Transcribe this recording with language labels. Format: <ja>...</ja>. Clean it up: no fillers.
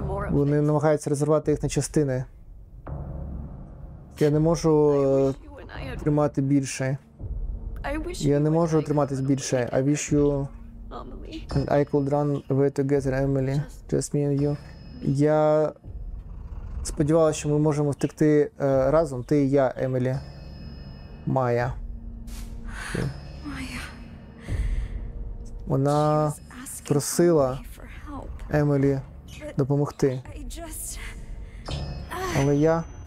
<uk>Вони намагаються розірвати їх на частини. Я не можу тримати більше. Я не можу триматись більше.</uk> <en>I wish you and I could run away together, Emily. Just me and you.</en> <uk>Я сподівалася, що ми можемо втекти разом. Ти і я, Емелі. Майя. Вона просила Емелі допомогти. Але я</uk>